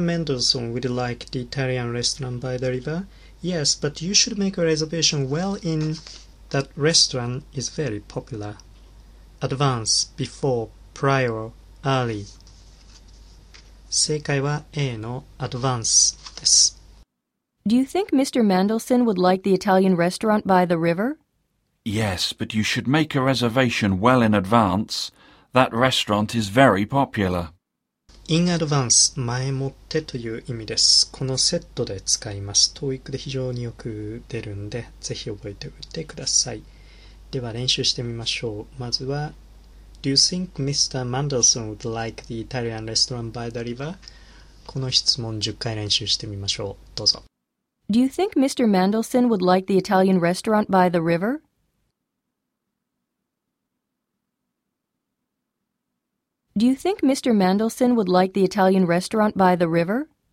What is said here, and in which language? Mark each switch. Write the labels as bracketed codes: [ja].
[en] Mendelssohn would like the Italian restaurant by the river? Yes, but you should make a reservation well in. That restaurant is very popular. Advance, before, prior, early. [ja] 正解は A の advance です。 [en] Do you think Mr. Mendelssohn would like the Italian restaurant by the river? Yes, but you should make a reservation well in advance. That restaurant is very popular. In advance, [ja] 前もってという意味です。このセットで使います。 TOEIC で非常によく出るんで、ぜひ覚えておいてください。では練習してみましょう。まずは、 [en] Do you think Mr. Mendelssohn would like the Italian restaurant by the river? [ja] この質問10回練習してみましょう。どうぞ。 [en] Do you think Mr. Mendelssohn would like the Italian restaurant by the river? Do you think Mr. Mendelssohn would like the Italian restaurant by the river?